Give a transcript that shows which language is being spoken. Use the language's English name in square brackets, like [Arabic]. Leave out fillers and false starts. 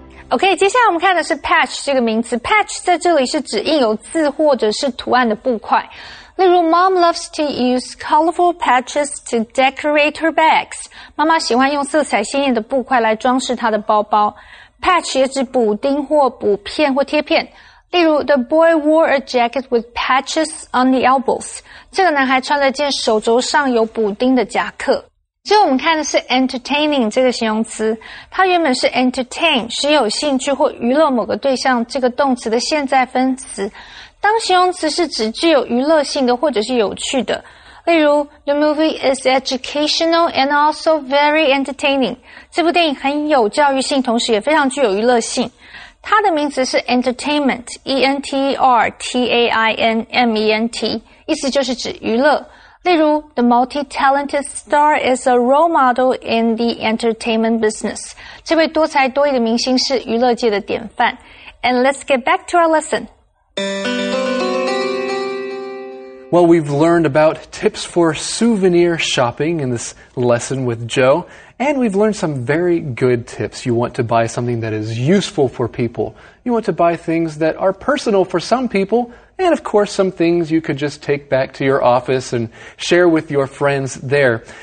[Chinese] OK, 接下来我们看的是 patch 这个名词。patch 在这里是指印有字或者是图案的布块。 [English] 例如 Mom loves to use colorful patches to decorate her bags. [Chinese] 妈妈喜欢用色彩鲜艳的布块来装饰她的包包。 patch 也指补丁或补片或贴片。 [English] 例如 The boy wore a jacket with patches on the elbows. [Chinese] 这个男孩穿了件手肘上有补丁的夹克。最后我们看的是 entertaining 这个形容词。它原本是 entertain, 使有兴趣或娱乐某个对象，这个动词的现在分词。当形容词是指具有娱乐性的或者是有趣的。 [English] 例如 The movie is educational and also very entertaining. [Chinese] 这部电影很有教育性，同时也非常具有娱乐性。它的名词是 entertainment, E-N-T-E-R-T-A-I-N-M-E-N-T, 意思就是指娱乐。 [English] 例如 The multi-talented star is a role model in the entertainment business. [Chinese] 这位多才多艺的明星是娱乐界的典范。 [English] And let's get back to our lesson. Well, we've learned about tips for souvenir shopping in this lesson with Joe. And we've learned some very good tips. You want to buy something that is useful for people. You want to buy things that are personal for some people. And of course, some things you could just take back to your office and share with your friends there.